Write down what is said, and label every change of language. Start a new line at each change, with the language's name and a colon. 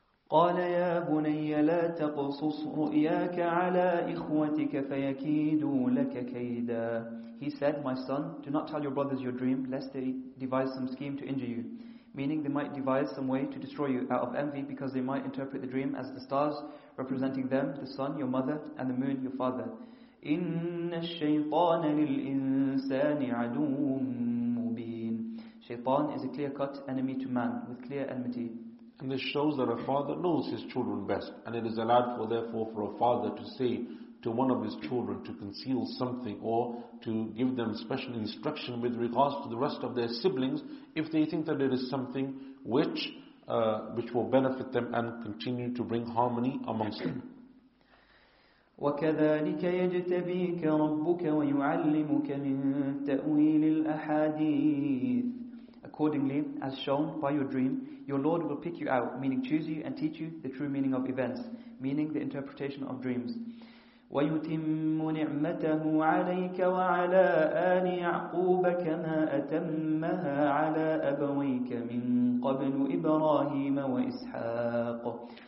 Arabic: قال يا بني لا تقصص رؤياك على إخوتك فيكيدوا لك كيدا.
English: He said, my son, do not tell your brothers your dream, lest they devise some scheme to injure you. Meaning they might devise some way to destroy you out of envy, because they might interpret the dream as the stars representing them, the sun, your mother, and the moon, your father.
Arabic: إن الشيطان للإنسان عدو مبين.
English: Shaytan is a clear-cut enemy to man with clear enmity. And this shows that a father knows his children best, and it is allowed for, therefore, for a father to say to one of his children to conceal something or to give them special instruction with regards to the rest of their siblings if they think that it is something which will benefit them and continue to bring harmony amongst them.
Arabic: وكذلك يجتبيك ربك ويعلمك من تأويل الأحاديث.
English: Accordingly, as shown by your dream, your Lord will pick you out, meaning choose you and teach you the true meaning of events, meaning the interpretation of dreams.
Arabic: وَيُتِمُّ نِعْمَتَهُ عَلَيْكَ وَعَلَىٰ آلِ يَعْقُوبَ كَمَا أَتَمَّهَا عَلَىٰ أَبَوَيْكَ مِنْ قَبْلُ إِبْرَاهِيمَ وَإِسْحَاقَ.